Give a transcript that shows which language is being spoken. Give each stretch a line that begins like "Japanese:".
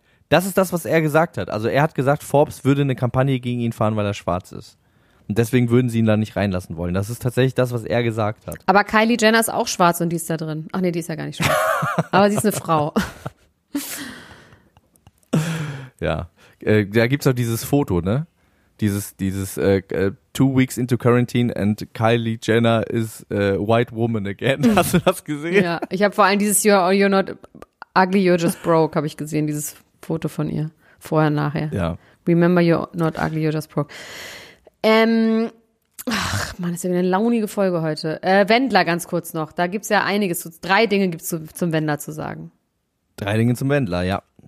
German: Das ist das, was er gesagt hat. Also er hat gesagt, Forbes würde eine Kampagne gegen ihn fahren, weil er schwarz ist. Und deswegen würden sie ihn da nicht reinlassen wollen. Das ist tatsächlich das, was er gesagt hat. Aber Kylie Jenner ist auch schwarz und die ist da drin. Ach nee, die ist ja gar nicht schwarz. Aber sie ist eine Frau. Ja, da gibt es auch dieses Foto, ne? Dieses
English: 2 weeks into quarantine and Kylie Jenner is a white woman again.
German: Hast du das gesehen? Ja, ich habe vor allem dieses
English: you're not ugly, you're just broke,
German: habe ich gesehen, dieses Foto von ihr. Vorher, nachher. Ja.
English: Remember, you're not ugly, you're just broke.
German: Ach man, ist ja wieder eine launige Folge heute. Wendler ganz kurz noch. Da gibt's ja einiges. Drei Dinge gibt's zum Wendler zu sagen. Drei Dinge zum Wendler, ja.